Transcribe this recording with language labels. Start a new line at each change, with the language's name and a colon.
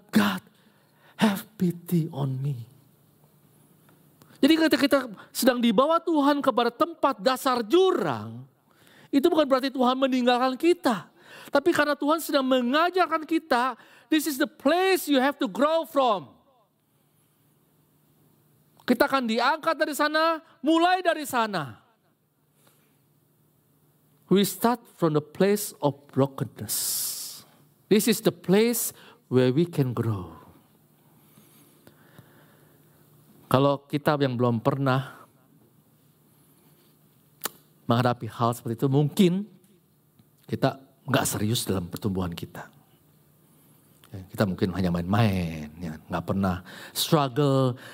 English: God, have pity on me.
Indonesian: Jadi ketika kita sedang dibawa Tuhan kepada tempat dasar jurang, itu bukan berarti Tuhan meninggalkan kita. Tapi karena Tuhan sedang mengajarkan kita,
English: this is the place you have to grow from.
Indonesian: Kita akan diangkat dari sana, mulai dari sana.
English: We start from the place of brokenness. This is the place where we can grow.
Indonesian: Kalau kita yang belum pernah menghadapi hal seperti itu, mungkin kita gak serius dalam pertumbuhan kita. Kita mungkin hanya main-main, ya, gak pernah struggle.